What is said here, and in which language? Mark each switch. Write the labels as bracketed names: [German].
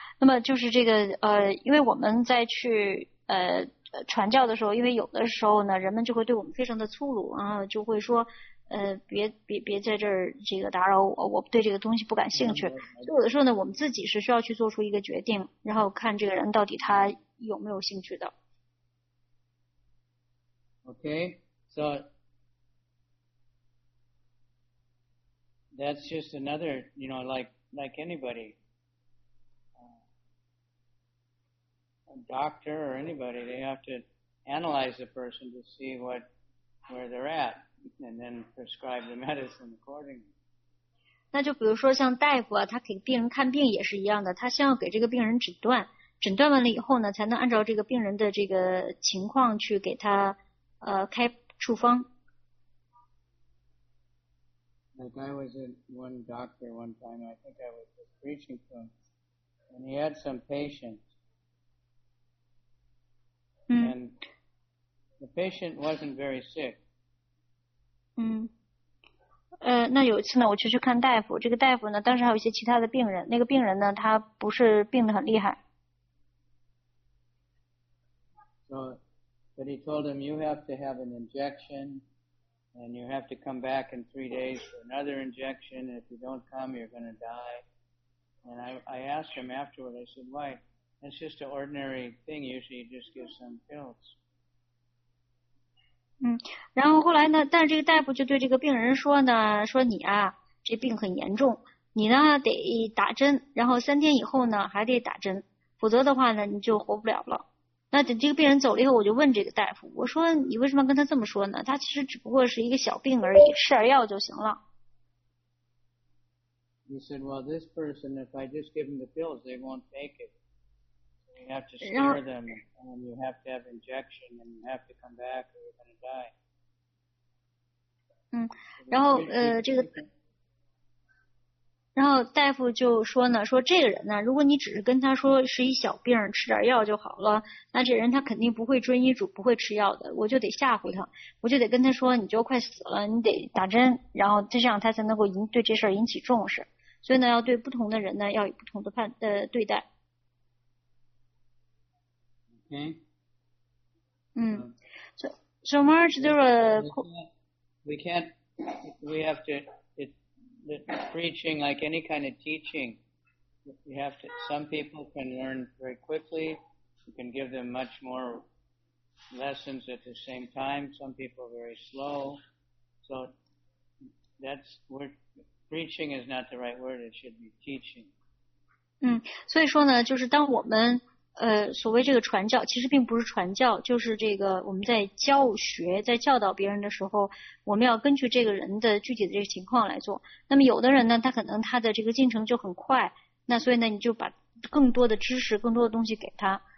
[Chinese] 那么就是这个因为我们在去传教的时候，因为有的时候呢人们就会对我们非常的粗鲁，然后就会说别在这儿这个打扰我，我对这个东西不感兴趣。所以有的时候呢我们自己是需要去做出一个决定，然后看这个人到底他有没有兴趣的。 [English] Okay, so that's just another, you know, like anybody, a doctor or anybody, they have to analyze the person to see where they're at and then prescribe the medicine accordingly. [Chinese] 那就比如说像大夫啊，他给病人看病也是一样的，他先要给这个病人诊断，诊断完了以后呢，才能按照这个病人的这个情况去给他开处方。 [English] Like I was at one doctor one time, I think I was just preaching to him, and he had some patients. And the patient wasn't very sick. [Chinese] 那有一次呢，我去看大夫，这个大夫呢，当时还有一些其他的病人，那个病人呢，他不是病得很厉害。 [English] So, but he told him, you have to have an injection, and you have to come back in 3 days for another injection. If you don't come, you're going to die. And I asked him afterward, I said, why? It's just an ordinary thing. Usually you just give some pills. [Chinese] 然后后来呢，但是这个大夫就对这个病人说呢，说你啊，这病很严重，你呢得打针，然后3天以后呢还得打针，否则的话呢你就活不了了。那等这个病人走了以后，我就问这个大夫，我说你为什么跟他这么说呢？他其实只不过是一个小病而已，吃点药就行了。 [English] He said, well, this person, if I just give them the pills, they won't take it. You have to scare them, and you have to have injection, and you have to come back, or you're going to die. [Chinese] 然后这个，然后大夫就说呢，说这个人呢，如果你只是跟他说是一小病，吃点药就好了，那这人他肯定不会遵医嘱，不会吃药的。我就得吓唬他，我就得跟他说，你就快死了，你得打针，然后这样他才能够对这事儿引起重视。所以呢，要对不同的人呢，要有不同的判对待。 [English] Okay. So March there a we have to the preaching like any kind of teaching. We have to. Some people can learn very quickly. You can give them much more lessons at the same time. Some people are very slow. So that's where preaching is not the right word. It should be teaching. [Chinese] 所以说呢，就是当我们所谓这个传教，其实并不是传教，就是这个我们在教学，在教导别人的时候，我们要根据这个人的具体的这个情况来做。那么有的人呢，他可能他的这个进程就很快，那所以呢，你就把更多的知识、更多的东西给他。